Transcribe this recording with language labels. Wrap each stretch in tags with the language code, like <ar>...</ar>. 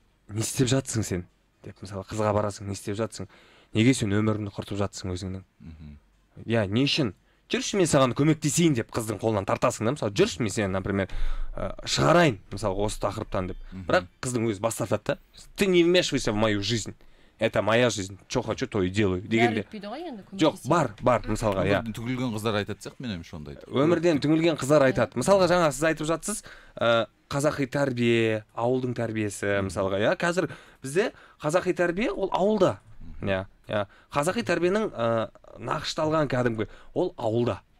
<kk>Не істеп жатсың сен? Деп мысалы қызға барасың, не істеп жатсың? Неге сен өміріңді құртып жатсың өзіңнің? Иә, не үшін? Жүрші мен саған көмектесейін деп қыздың қолынан тартасың да, мысалы жүрші мен сені, например, шығарайын мысалы осы тақырыптан деп. Бірақ қыздың өзі бас тартады да,</kk> <ru>ты не вмешивайся в мою жизнь, это моя жизнь, что хочу, то и делаю</ru> <kk>дегенде. Жоқ, бар мысалға, иә. Түңілген қыздар айтады сияқты, мен өмірше ондайды. Өмірден түңілген қыздар айтады. Мысалға жаңа сіз айтып жатсыз, қазақи тәрбие, ауылдың тәрбиесі мысалға, иә. Қазір бізде қазақи тәрбие ол ауылда. Иә. Қазақи тәрбиенің нақышталған кәдімгі ол ауылда.</kk>